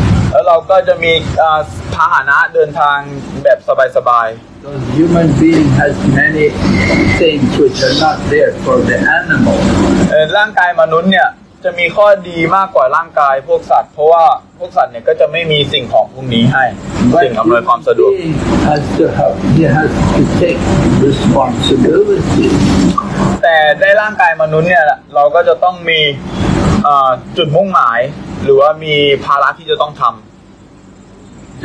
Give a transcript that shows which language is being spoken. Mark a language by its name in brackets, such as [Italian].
[Thai] แล้วเราก็จะมีพาหนะเดินทางแบบสบาย [English] ๆ human being has many things which are not there for the animal [Thai] ร่างกายมนุษย์เนี่ยจะมีข้อดีมากกว่าร่างกายพวกสัตว์เพราะว่าพวกสัตว์เนี่ยก็จะไม่มีสิ่งของพวกนี้ให้สิ่งอำนวยความสะดวก [English] has to have he has to take responsibility [Thai] แต่ได้ร่างกายมนุษย์เนี่ยเราก็จะต้องมีจุดมุ่งหมายหรือว่ามีภาระที่จะต้องทำ